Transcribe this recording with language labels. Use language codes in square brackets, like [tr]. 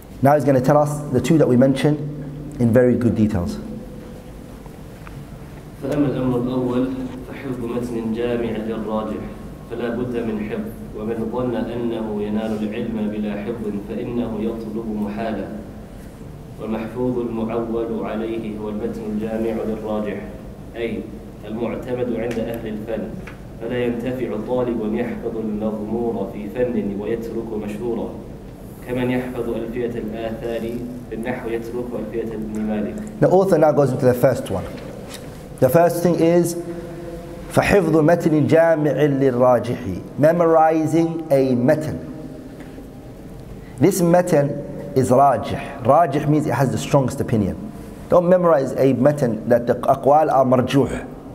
[en] Now he's going to tell us the two that we mentioned in very good details. [ar] فأما الأمر الأول فحفظ متن جامع للراجح فلا بد من حفظ، ومن ظن أنه ينال العلم بلا حفظ فإنه يطلب محالة. والمحفوظ المعول عليه هو المتن الجامع للراجح، أي المعتمد عند أهل الفن، فلا ينتفع الطالب أن يحفظ المضمور في فن ويترك مشهورا، كمن يحفظ ألفية الآثار في النحو يترك ألفية ابن مالك. [en] The author now goes into the first one. The first thing is [ar] فَحِفْظُ مَتْنٍ جَامِعٍ لِلْرَاجِحِ. [en] Memorizing a matan. This matan is rajih. Rajih means it has the strongest opinion. Don't memorize a matan that the aqwal are marjuh.